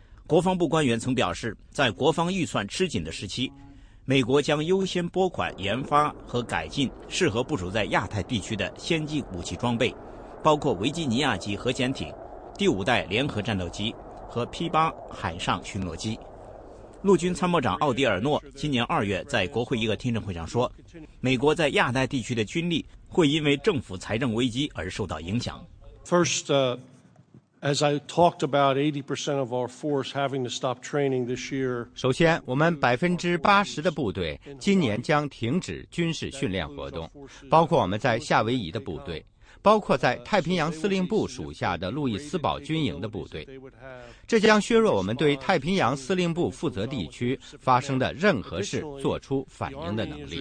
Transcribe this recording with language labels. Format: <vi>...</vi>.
<zh>国防部官员曾表示，在国防预算吃紧的时期，美国将优先拨款研发和改进适合部署在亚太地区的先进武器装备，包括维吉尼亚级核潜艇、第五代联合战斗机和 P8 海上巡逻机。陆军参谋长奥迪尔诺今年二月在国会一个听证会上说，美国在亚太地区的军力会因为政府财政危机而受到影响。</zh> <en>First, as I talked about, 80% of our force having to stop training this year.</en> <zh>首先，我们80%的部队今年将停止军事训练活动，包括我们在夏威夷的部队，包括在太平洋司令部属下的路易斯堡军营的部队。这将削弱我们对太平洋司令部负责地区发生的任何事做出反应的能力。</zh>